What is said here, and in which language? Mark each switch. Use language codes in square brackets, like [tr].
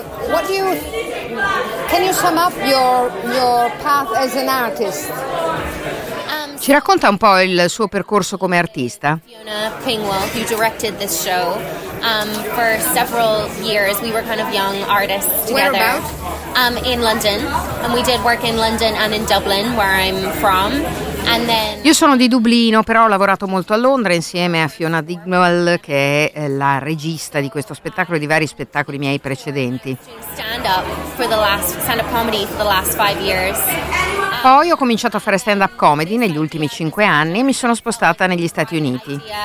[en] What do you, can you sum up your path as an artist? [it] Ci racconta un po' il suo percorso come artista? [en] Fiona Pingwell, who directed this show, for several years, we were kind of young artists together. Whereabouts? In London, and we did work in London and in Dublin, where I'm from. And then [it] io sono di Dublino, però ho lavorato molto a Londra insieme a Fiona Dignall, che è la regista di questo spettacolo e di vari spettacoli miei precedenti. [en] Stand-up comedy for the last 5 years. [it] Poi ho cominciato a fare stand-up comedy negli ultimi 5 anni e mi sono spostata negli Stati Uniti.